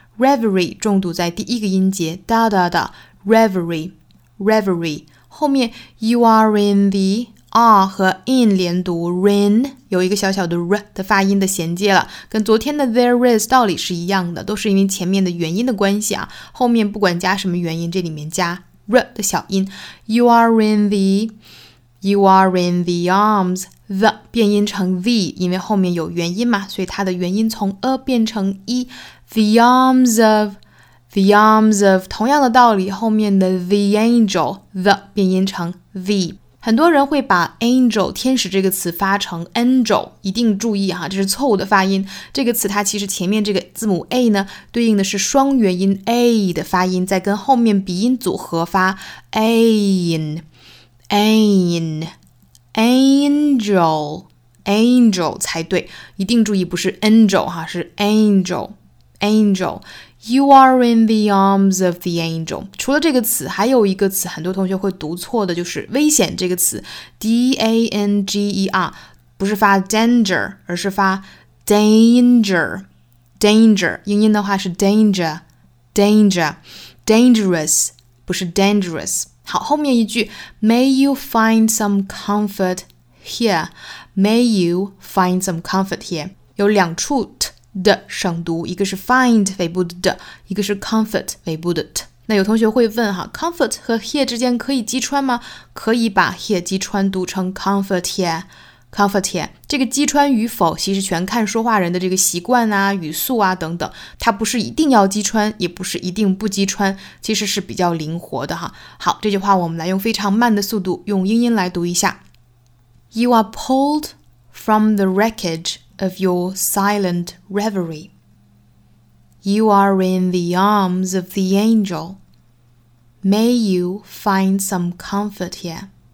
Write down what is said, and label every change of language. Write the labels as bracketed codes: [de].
[zh] Reverie 重读在第一个音节哒哒哒 Reverie Reverie， 后面 [en] You are in the R [zh] 和 in 连读 Rin 有一个小小的 R 的发音的衔接了，跟昨天的 there is 道理是一样的，都是因为前面的元音的关系啊，后面不管加什么元音，这里面加r 的小音。 [en] you are in the arms， [zh] the 变音成 v， 因为后面有元音嘛，所以它的元音从 a 变成 e。 [en] the arms of [zh] 同样的道理，后面的 [en] the angel [zh] the 变音成 v。很多人会把 angel 天使这个词发成 angel， 一定注意哈，这是错误的发音。这个词它其实前面这个字母 a 呢，对应的是双元音 a 的发音，再跟后面鼻音组合发 ain ain ain， angel, angel 才对，一定注意不是 angel 哈，是 angel, angel。 [en] You are in the arms of the angel. [zh] 除了这个词，还有一个词很多同学会读错的，就是危险这个词 ，danger， 不是发 danger， 而是发 danger， danger。英音的话是 danger， danger， dangerous， 不是 dangerous。 [en] 好，后面一句 ，May you find some comfort here. May you find some comfort here. [zh] 有两处 t 的省读，一个是 find 尾部的 d， 一个是 comfort 尾部的 t。那有同学会问哈 ，comfort 和 here 之间可以击穿吗？可以把 here 击穿读成 [en] comfort here。 [zh] Comfort here， 这个击穿与否其实全看说话人的这个习惯啊、语速啊等等，它不是一定要击穿，也不是一定不击穿，其实是比较灵活的哈。好，这句话我们来用非常慢的速度用英音来读一下。 [en] You are pulled from the wreckage of your silent reverie. You are in the arms of the angel. May you find some comfort here.